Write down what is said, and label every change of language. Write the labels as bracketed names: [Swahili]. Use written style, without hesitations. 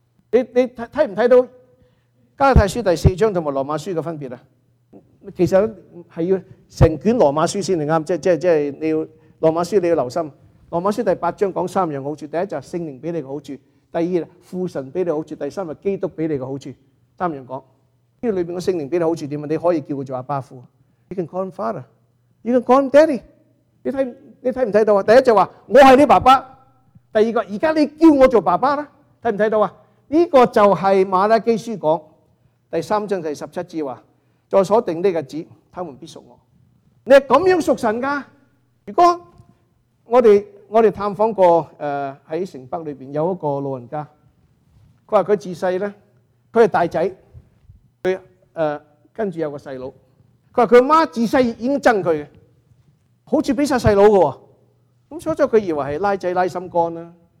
[Cantonese] 你看不看到加拉太书第四章和罗马书的分别？其实是要成卷罗马书才对，即是罗马书你要留心。罗马书第八章讲三样好处，第一就是圣灵给你的好处，第二父神给你的好处，第三就是基督给你的好处。三样讲，这里面的圣灵给你的好处是什么？你可以叫他做阿爸父， [English] You can call him father， You can call him daddy。 [Cantonese] 你看不看到？第一就是我是你爸爸，第二个现在你叫我做爸爸，看不看到啊？这个就是马拉基书讲第三章第十七节话，在所定的日子，他们必属我。你是这样属神的。如果我们探访过在城北里面有一个老人家，他说他自小呢，他是大仔，他跟着有个小孩，他说他妈自小已经憎他，好像比小孩的，所以他以为是拉仔拉心肝。